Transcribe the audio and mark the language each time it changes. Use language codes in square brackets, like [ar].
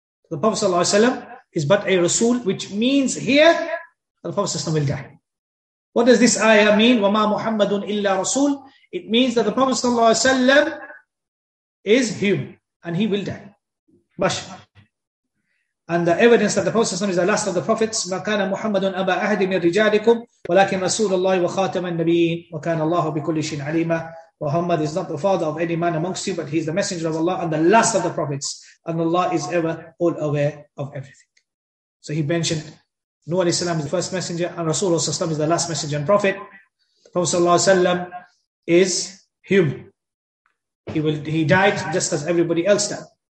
[en] The Prophet sallallahu alayhi wa sallam is but a Rasul, which means here, the Prophet sallallahu alayhi wa sallam will die. What does this ayah mean? [ar] وَمَا مُحَمَّدٌ إِلَّا رَسُولٌ. [en] It means that the Prophet sallallahu alayhi wa sallam is human, and he will die. Bash. And the evidence that the Prophet is the last of the prophets, [ar] وَكَانَ مُحَمَّدٌ أَبَا أَهْدٍ مِنْ رِجَالِكُمْ وَلَكِنْ رَسُولُ اللَّهِ وَخَاتَمَ النَّبِيِّينَ وَكَانَ اللَّهُ بِكُلِّ شَيْءٍ عَلِيمًا. [en] Muhammad is not the father of any man amongst you, but he is the messenger of Allah and the last of the prophets. And Allah is ever all aware of everything. So he mentioned Nuh alayhi salam is the first messenger and Rasulullah is the last messenger and prophet. The Prophet sallallahu alayhi wa sallam is human. He died just as everybody else died.